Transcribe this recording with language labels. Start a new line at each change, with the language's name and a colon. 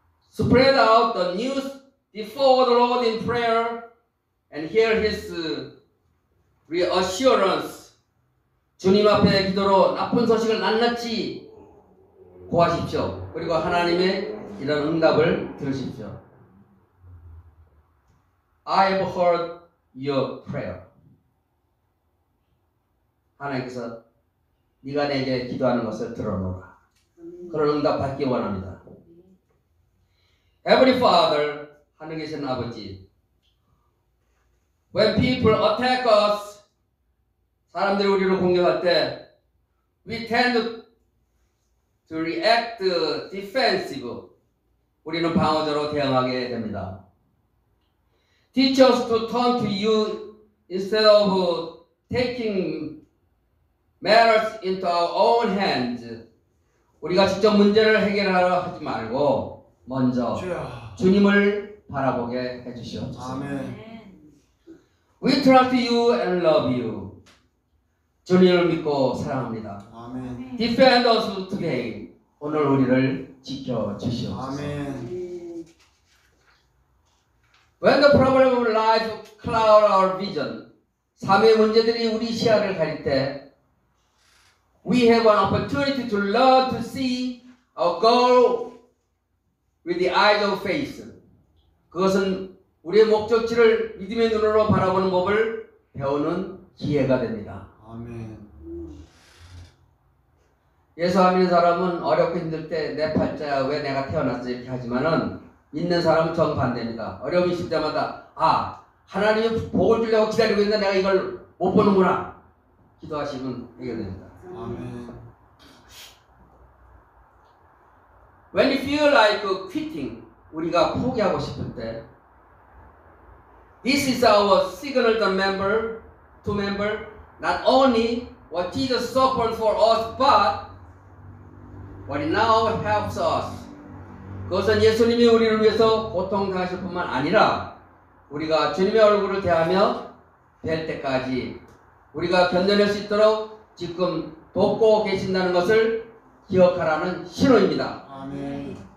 English: Spread out the news before the Lord in prayer and hear his reassurance.
Korean: 주님 앞에 기도로 나쁜 소식을 낱낱이 구하십시오. 그리고 하나님의 이런 응답을 들으십시오.
English: I have heard your prayer.
Korean: 하나님께서 네가 내게 기도하는 것을 들어놓으라. 그런 응답 받기 원합니다.
English: Heavenly Father,
Korean: 하늘에 계신 아버지,
English: when people attack us,
Korean: 사람들이 우리를 공격할 때,
English: we tend to react defensive.
Korean: 우리는 방어적으로 대응하게 됩니다.
English: Teach us to turn to you instead of taking matters into our own hands.
Korean: 우리가 직접 문제를 해결하려 하지 말고 먼저 주님을 바라보게 해주시옵소서. 아멘.
English: We trust you and love you.
Korean: 주님을 믿고 사랑합니다. 아멘.
English: Defend us today.
Korean: 오늘 우리를 지켜주시옵소서. 아멘.
English: When the problem of life cloud our vision,
Korean: 삶의 문제들이 우리 시야를 가릴 때,
English: we have an opportunity to learn to see a goal with the eyes of faith.
Korean: 그것은 우리의 목적지를 믿음의 눈으로 바라보는 법을 배우는 기회가 됩니다. 아멘. 예수 안 믿는 사람은 어렵고 힘들 때 내 팔자야 왜 내가 태어났지 이렇게 하지만은 믿는 사람은 정반대입니다. 어려움이 있을 때마다 아 하나님이 복을 주려고 기다리고 있는데 내가 이걸 못 보는구나 기도하시면 해결됩니다. 아멘.
English: When you feel like quitting,
Korean: 우리가 포기하고 싶을 때,
English: this is our signal to remember not only what Jesus suffered for us, but what now helps us.
Korean: 그것은 예수님이 우리를 위해서 고통 당하실 뿐만 아니라 우리가 주님의 얼굴을 대하며 뵐 때까지 우리가 견뎌낼 수 있도록 지금 돕고 계신다는 것을 기억하라는 신호입니다. 아멘.